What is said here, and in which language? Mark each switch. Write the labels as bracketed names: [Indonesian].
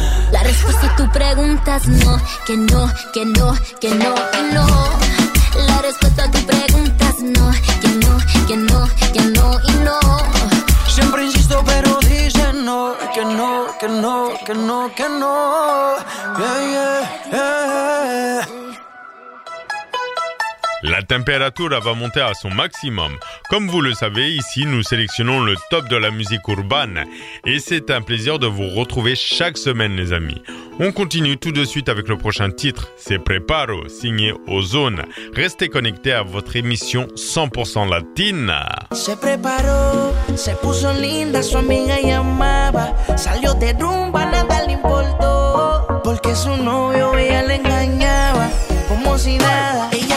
[Spanish] La respuesta a tu pregunta es no, que no, que no, que no, que no. La respuesta a tu pregunta es no, que no, que no, que no, y no. Siempre insisto, pero dicen no, que no, que no, que no, que no. Yeah, yeah, yeah. [French] La température va monter à son maximum. Comme vous le savez, ici, nous sélectionnons le top de la musique urbaine. Et c'est un plaisir de vous retrouver chaque semaine, les amis. On continue tout de suite avec le prochain titre. C'est Preparo, signé Ozone. Restez connectés à votre émission 100% Latina. [Spanish] Se preparó, se puso linda, su amiga llamaba. Salió de rumba, nada le importó. Porque su novio ella le engañaba, como si nada.